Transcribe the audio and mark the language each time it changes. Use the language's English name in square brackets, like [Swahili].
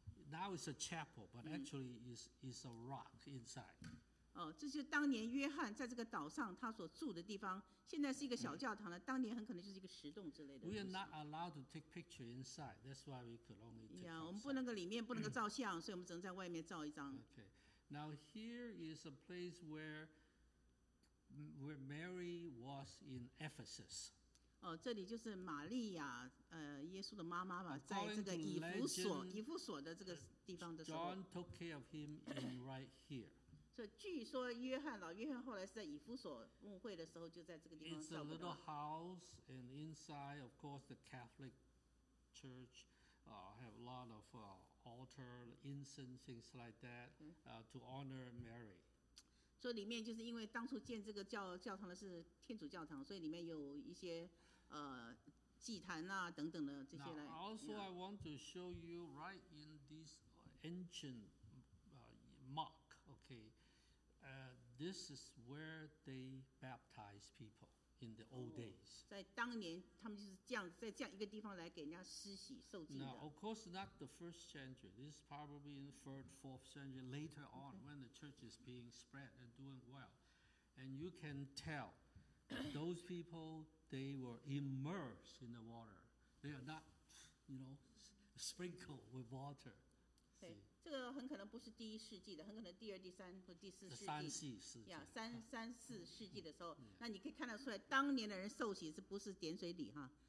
[English] Now it's a chapel, but actually is a rock inside. [Chinese] 哦，这就是当年约翰在这个岛上他所住的地方，现在是一个小教堂了。当年很可能就是一个石洞之类的。 [English] We are not allowed to take picture inside. That's why we could only take. [Chinese] Yeah, 我们不能够里面不能够照相，所以我们只能在外面照一张。 [English] Okay, now here is a place where Mary was in Ephesus. [Chinese] 哦，这里就是玛利亚，耶稣的妈妈吧，在这个以弗所的这个地方的时候。 [English] John took care of him in right here. [Chinese] 所以据说约翰老约翰后来是在以弗所牧会的时候就在这个地方照顾到。 [English] It's a little house and inside of course the Catholic churchhave a lot of altar, incense, things like that, to honor Mary. [Chinese] 所以里面就是因为当初建这个 教堂的是天主教堂，所以里面有一些祭坛啊等等的这些来。 [English] Now, also,、yeah. I want to show you right in this ancient mark, okay, this is where they baptized people. In the old days. [Chinese] 在当年他们就是这样在这样一个地方来给人家施洗受浸的。 [English] Now, of course not the first century. This is probably in the third, fourth century later on、okay. when the church is being spread and doing well. And you can tell those people, they were immersed in the water. They are not, you know, sprinkled with water. [Chinese] 对，这个很可能不是第一世纪的，很可能第二、第三或第四世纪。三四世纪。 Yeah, 三四世纪的时候，那你可以看得出来，当年的人受洗是不是点水礼哈？